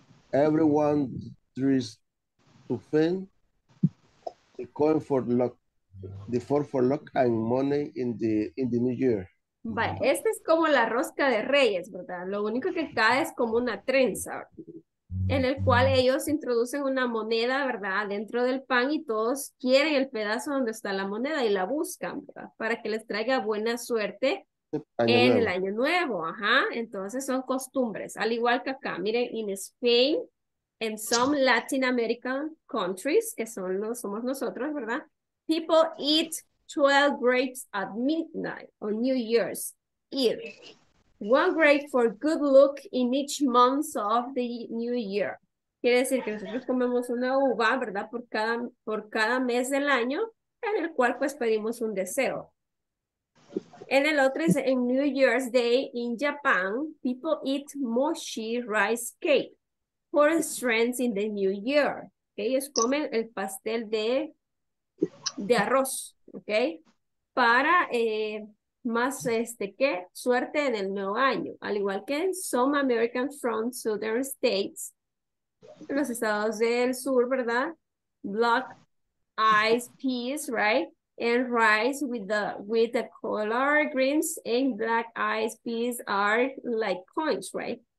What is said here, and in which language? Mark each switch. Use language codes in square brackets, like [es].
[en] Everyone tries to find the coin for luck, the four for luck and money in the new year. [es] Vale, esta es como la rosca de reyes, ¿verdad? Lo único que acá es como una trenza, ¿verdad? En el cual ellos introducen una moneda, ¿verdad? Dentro del pan y todos quieren el pedazo donde está la moneda y la buscan, ¿verdad? Para que les traiga buena suerte en el año nuevo, ajá. Entonces son costumbres, al igual que acá. Miren, [en] in Spain, in some Latin American countries, [es] que son los, somos nosotros, ¿verdad? [en] People eat 12 grapes at midnight on New Year's Eve. One grape for good luck in each month of the new year. [es] Quiere decir que nosotros comemos una uva, ¿verdad? Por cada mes del año, en el cual pues pedimos un deseo. En el otro es en [en] New Year's Day in Japan, people eat mochi rice cake for strength in the new year. ¿Okay? [es] Ellos comen el pastel de arroz, ¿ok? Para más que suerte en el nuevo año. Al igual que en [en] some American from southern states, [es] los estados del sur, ¿verdad? [en] Black eyes peas, right? And rice with the color greens and black eyes peas are like coins, right?